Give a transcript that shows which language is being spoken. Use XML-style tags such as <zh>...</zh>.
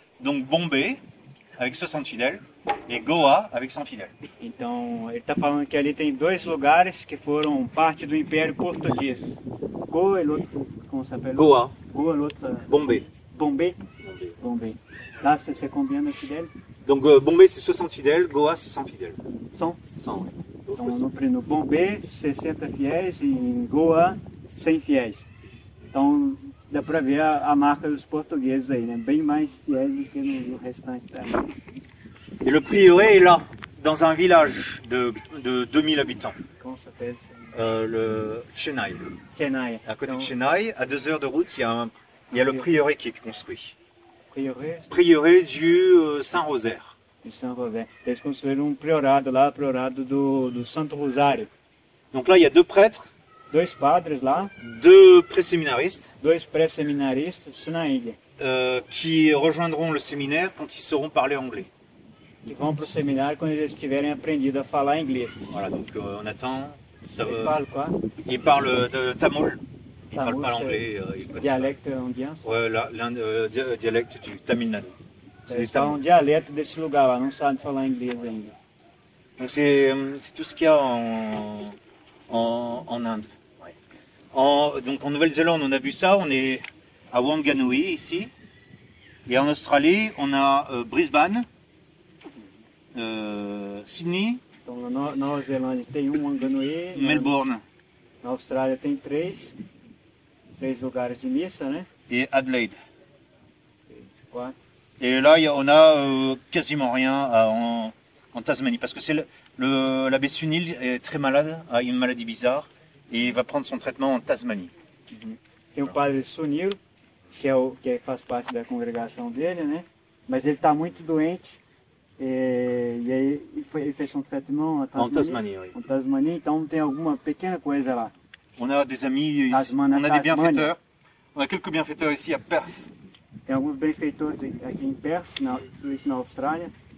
<fr>Donc, Bombay, avec 60 fidèles. E Goa, avec 100 fidèles.</fr> <pt>Então, ele está falando que ali tem dois lugares que foram parte do Império Português. Goa e outro, como se apelou? Goa. Goa e outro... Bombay. Bombay? Bombay.</pt> <fr>Lá, c'est combien de fidèles? Donc, Bombay, c'est 60 fidèles. Goa, c'est 100 fidèles. 100? 100, oui.</fr> <pt>Então, no Bombay, 60 fiéis. E em Goa, 100 fiéis. Então, dá para ver a marca dos portugueses aí, né? Bem mais fiéis do que no restante também.</pt> <fr>Et le prieuré est là, dans un village de 2000 habitants. Comment ça s'appelle? Le Chennai. Chennai. À côté donc, de Chennai, à 2 heures de route, il y a le prieuré qui est construit. Prieuré? Prieuré du Saint-Rosaire. Du Saint-Rosaire. Ils construisent un priorado là, le priorado du Saint-Rosaire. Donc là, il y a deux prêtres. Deux padres là. Deux pré-séminaristes. Deux pré-séministes sur la île. Qui rejoindront le séminaire quand ils sauront parler anglais.</fr> <pt>Que vão para o seminário quando eles tiverem aprendido a falar inglês.</pt> <fr>Voilà, donc on attend.</fr> <pt>Ele fala quoi?</pt> <fr>Il parle de tamoul. Il parle pas l'anglais. Dialecte indien? Ouais, dialecte du Tamil Nadu. C'est un dialecte</fr> <pt>desse lugar lá, não sabe falar inglês ainda.</pt> <fr>Donc c'est tout ce qu'il y a en Inde. Donc en Nouvelle-Zélande, on a vu ça, on est à Wanganui ici. Et en Australie, on a Brisbane, Sydney. Donc, en Nouvelle-Zélande, il y a un Ganoé. Melbourne. En Australie, il y a trois</fr> <pt>lugares de missa, né?</pt> <fr>Et Adelaide. Quatre. Et là, on a quasiment rien en Tasmanie, parce que c'est l'abbé Sunil est très malade, a une maladie bizarre, et il va prendre son traitement en Tasmanie. Mm-hmm. C'est le padre Sunil.</fr> <pt>Que faz parte da congregação dele, né? Mas ele está muito doente e aí ele fez um tratamento na Tasmania. Tasmania, Tasmania, então tem alguma pequena coisa lá.</pt> <fr>On a des amis ici. Tasmania, on a des bienfaiteurs. On a quelques bienfaiteurs ici à Perth.</fr> <pt>Tem alguns benfeitores aqui em Perth, na Austrália.</pt>